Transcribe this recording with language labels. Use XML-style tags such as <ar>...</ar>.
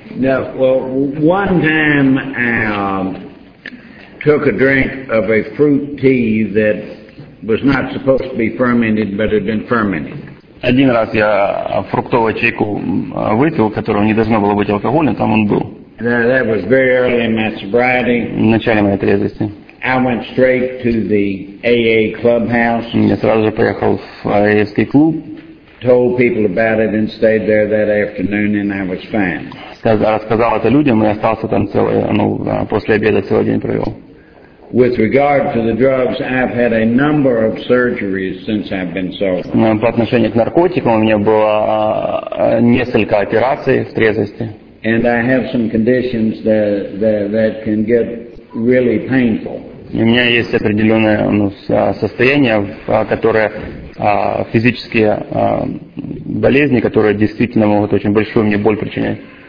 <en>No, well, one time I took a drink of a fruit tea that was not supposed to be fermented, but had been fermented.</en> <ru>Один раз я фруктовый чай выпил, которого не должно было быть алкоголем, там он был.</ru> <en>That was very early in my sobriety.</en> <ru>В начале моей трезвости.</ru> <en>I went straight to the AA clubhouse.</en> <ru>Я сразу же поехал в AA-ский клуб.</ru> <en>Told people about it and stayed there that afternoon, and I was fine.</en> <ru>Рассказал это людям, и остался там целый, после обеда целый день провел.</ru> <en>With regard to the drugs, I've had a number of surgeries since I've been sober.</en> <ru>По отношению к наркотикам у меня было несколько операций в трезвости.</ru> <en>And I have some conditions that can get really painful.</en> <ru>У меня есть определенное состояние, которое физические болезни, которые действительно могут очень большую мне боль причинять.</ru>